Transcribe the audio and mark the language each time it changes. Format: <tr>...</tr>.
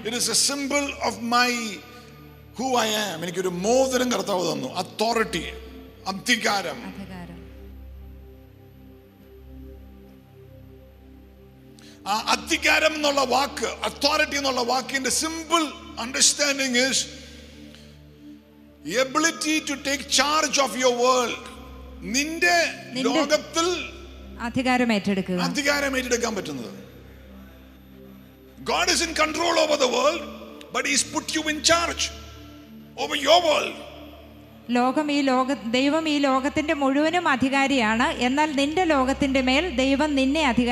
<en>It is a symbol of my who I am.</en> <ml>എനിക്ക് ഒരു മോതിരം കർത്താവ് തന്നു, അതോറിറ്റി, അധികാരം. ആ അധികാരം എന്നുള്ള വാക്ക്, അതോറിറ്റി എന്നുള്ള വാക്കിന്റെ simple understanding</ml> <en>Is ability to take charge of your world.</en> <ml>നിന്റെ ലോകത്തിൽ അധികാരം ഏറ്റെടുക്കാൻ പറ്റുന്നത്.</ml> <en>God is in control over the world, but he's put you in charge over your world.</en> <ml>ലോകം ഈ ലോക ദൈവം ഈ ലോകത്തിന്റെ മുഴുവനും അധികാരിയാണ്. എന്നാൽ നിന്റെ ലോകത്തിന്റെ മേൽ ദൈവം നിന്നെ</ml>